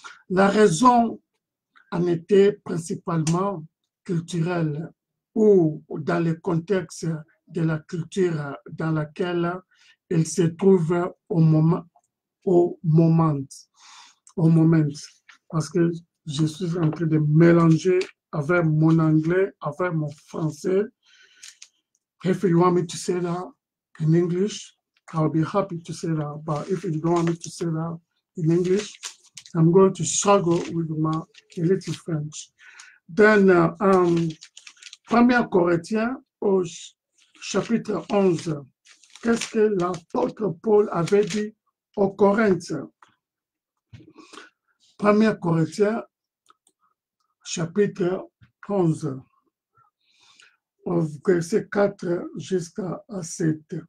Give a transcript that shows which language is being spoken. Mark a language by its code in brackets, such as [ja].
[fr] La raison en était principalement culturelle ou dans le contexte de la culture dans laquelle elle se trouve au moment. Parce que je suis en train de mélanger avec mon anglais, avec mon français. [en] If you want me to say that in English, I'll be happy to say that. But if you don't want me to say that in English, I'm going to struggle with my little French. [fr] Then, 1 Corinthiens au chapitre 11. Qu'est-ce que l'apôtre Paul avait dit aux Corinthiens? 1 Corinthiens, chapitre 11, verset 4 jusqu'à 7.